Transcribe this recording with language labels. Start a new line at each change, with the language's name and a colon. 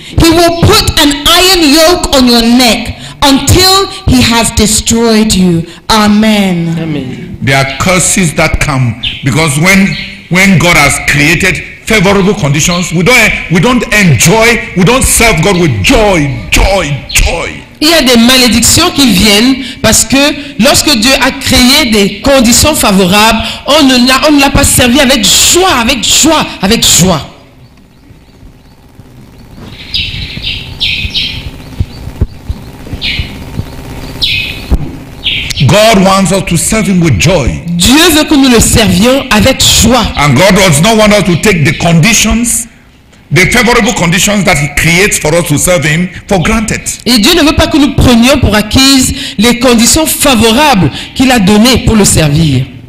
English: He will put an iron yoke on your neck until he has destroyed you. Amen. Amen. There are curses that come because when God has created favorable conditions, we don't enjoy, we don't serve God with joy, joy, joy.
French: Il y a des malédictions qui viennent parce que lorsque Dieu a créé des conditions favorables, on ne l'a pas servi avec joie, avec joie, avec joie.
English: God wants us to serve him with joy.
French: Dieu veut que nous le servions avec joie.
English: And God does not want us to take the conditions, the favorable conditions that he creates for us to serve him, for granted.
French: Et Dieu ne veut pas que nous prenions pour acquises les conditions favorables qu'il a données pour le servir.